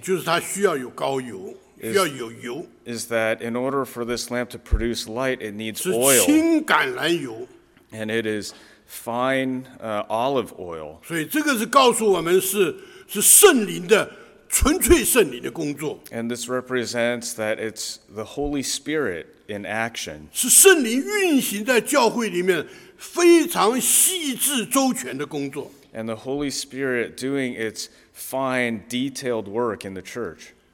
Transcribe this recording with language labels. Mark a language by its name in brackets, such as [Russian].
[Chinese] 就是它需要有高油，需要有油。 [English] Is that in order for this lamp to produce light, it needs oil. [Chinese] 是青橄榄油。 [English] And it is fine olive oil. [Chinese] 所以这个是告诉我们是 是圣灵的，纯粹圣灵的工作。 [English] And this represents that it's the Holy Spirit in action. [Chinese] 是圣灵运行在教会里面非常细致周全的工作。 [English] And the Holy Spirit doing its fine detailed work in the church.